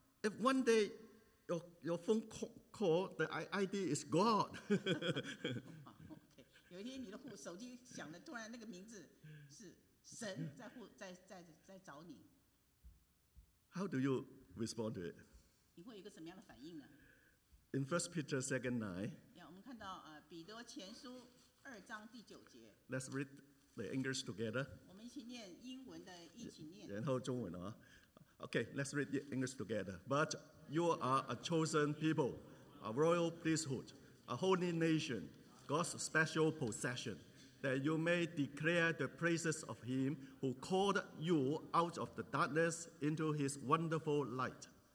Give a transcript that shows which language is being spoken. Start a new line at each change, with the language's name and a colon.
English: if one day your phone call the ID is God,
Chinese: 有一天你的手机响了，突然那个名字是神在找你。
English: How do you respond to it?
Chinese: 你会有一个什么样的反应呢？
English: In 1 Peter 2 9,
Chinese: 我们看到彼得前书二章第九节。
English: Let's read the English together.
Chinese: 我们一起念英文的，一起念。然后中文啊。
English: Okay, let's read the English together. But you are a chosen people, a royal priesthood, a holy nation, God's special possession, that you may declare the praises of him who called you out of the darkness into his wonderful light.